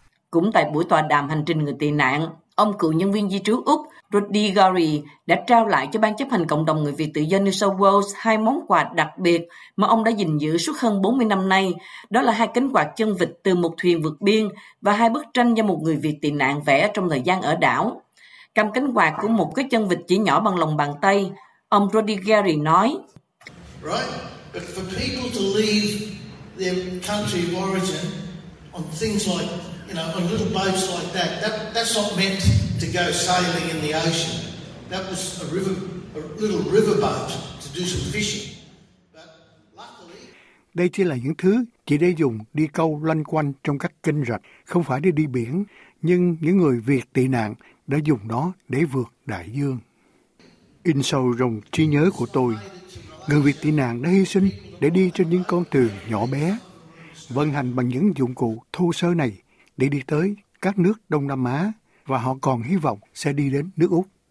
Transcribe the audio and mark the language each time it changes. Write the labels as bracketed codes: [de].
[vi] Cũng tại buổi tọa đàm hành trình người tị nạn, ông cựu nhân viên di trú Úc Rudy Gary đã trao lại cho Ban chấp hành Cộng đồng Người Việt Tự do New South Wales hai món quà đặc biệt mà ông đã gìn giữ suốt hơn 40 năm nay. Đó là hai cánh quạt chân vịt từ một thuyền vượt biên và hai bức tranh do một người Việt tị nạn vẽ trong thời gian ở đảo. Cầm cánh quạt của một cái chân vịt chỉ nhỏ bằng lòng bàn tay, ông Rudy Gary nói. [en] Right, but for people to leave their country of origin on things like, you know, on little boats like that, that's not meant to go sailing in the ocean. That was a little river boat to do some fishing. But luckily, [vi] đây chỉ là những thứ chỉ để dùng đi câu loanh quanh trong các kênh rạch, không phải để đi biển. Nhưng những người Việt tị nạn đã dùng nó để vượt đại dương. In sâu trong trí nhớ của tôi, người Việt tị nạn đã hy sinh để đi trên những con thuyền nhỏ bé, vận hành bằng những dụng cụ thô sơ này để đi tới các nước Đông Nam Á, và họ còn hy vọng sẽ đi đến nước Úc.